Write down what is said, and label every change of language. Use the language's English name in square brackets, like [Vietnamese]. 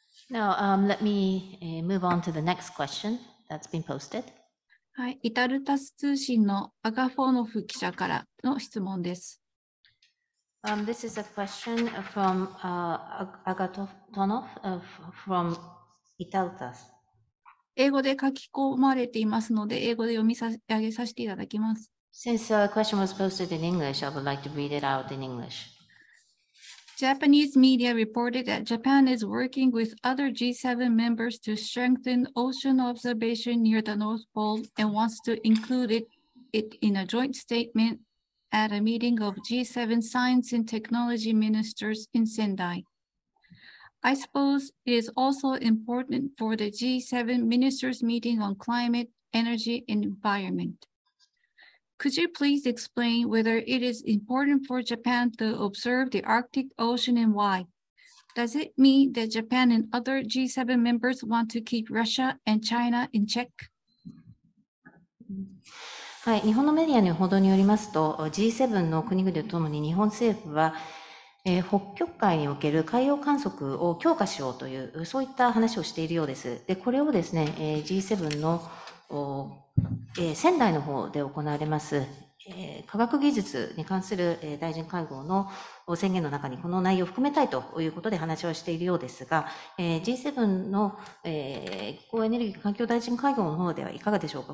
[English] Now, let me move on to the next question that's been posted. [Japanese] はい、イタルタス通信のアガフォノフ記者からの質問です。 [English] This is a question from Agatonov from Italtas. [Japanese] 英語で書き込まれていますので、英語で読み上げさせていただきます。 [English] Since the question was posted in English, I would like to read it out in English. Japanese media reported that Japan is working with other G7 members to strengthen ocean observation near the North Pole and wants to include it in a joint statement at a meeting of G7 science and technology ministers in Sendai. I suppose it is also important for the G7 ministers meeting on climate, energy, and environment. Could you please explain whether it is important for Japan to observe the Arctic Ocean and why? Does it mean that Japan and other G7 members want to keep Russia and China in check? [Japanese] はい、日本のメディアの報道によりますと、G7 の国々とともに日本政府は、北極海における海洋観測を強化しようという、そういった話をしているようです。で、これをですね、G7 の仙台の方で行われます、科学技術に関する大臣会合の宣言の中にこの内容を含めたいということで話をしているようですが、G7 の気候エネルギー環境大臣会合の方ではいかがでしょうか。